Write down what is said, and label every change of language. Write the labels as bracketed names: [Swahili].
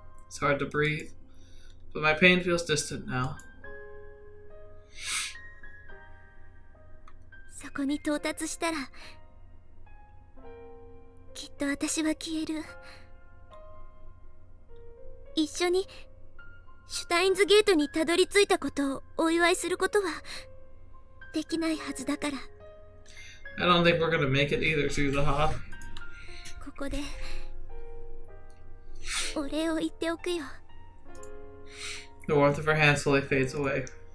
[English] It's hard to breathe, but my pain feels distant now. [Japanese] そこに到達したら、きっと私は消える。一緒にシュタインズゲートにたどり着いたことをお祝いすることはできないはずだから。 [English] I don't think we're gonna make it either, Suzaha. [Japanese] ここで。お礼を言っておくよ。 [English] The warmth of her hand slowly fades away.